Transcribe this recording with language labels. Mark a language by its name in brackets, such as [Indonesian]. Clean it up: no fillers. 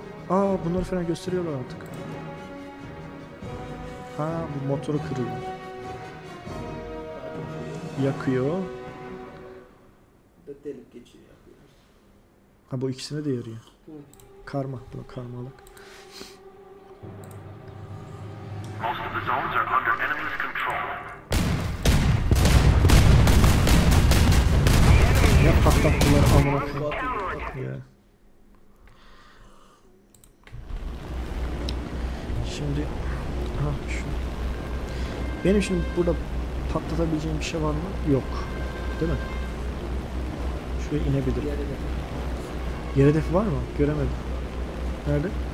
[Turkish] Aa, bunları falan gösteriyorlar artık. Ha, bu motoru kırıyor. Yakıyor. delik geçiyor yapıyoruz. Ha bu ikisine de yarıyor. Hı. Karma, bu karmalık. [English] Most of the zones are under enemy's control. [Turkish] Ya patlattılar amına koyayım. Şimdi ha şu. Benim şimdi burada patlatabileceğim bir şey var mı? Yok. Değil mi? Şuraya inebilirim. Yer hedefi var mı? Göremedim. Nerede?